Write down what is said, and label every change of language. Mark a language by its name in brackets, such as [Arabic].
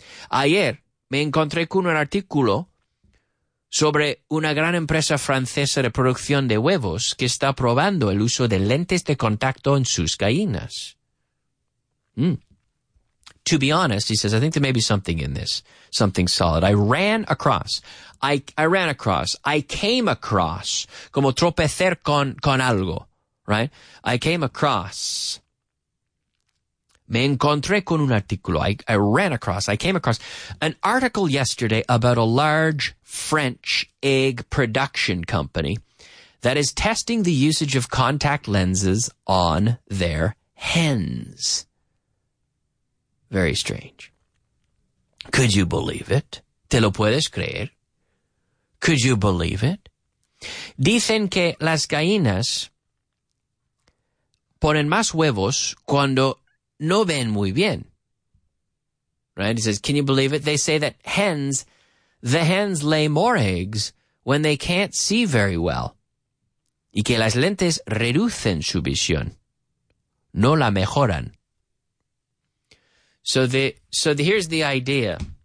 [Spanish] Ayer, me encontré con un artículo sobre una gran empresa francesa de producción de huevos que está probando el uso de lentes de contacto en sus gallinas. Mm. [English] To be honest, he says, I think there may be something in this, something solid. I came across, [Spanish] como tropecer con algo, [English] right? I came across [Spanish] Me encontré con un artículo. [English] I came across an article yesterday about a large French egg production company that is testing the usage of contact lenses on their hens. Very strange. Could you believe it? [Spanish] ¿Te lo puedes creer? [English] Could you believe it? [Spanish] Dicen que las gallinas ponen más huevos cuando no ven muy bien. [English] Right? He says, can you believe it? They say that the hens lay more eggs when they can't see very well. [Spanish] Y que las lentes reducen su visión. No la mejoran. [English] So here's the idea.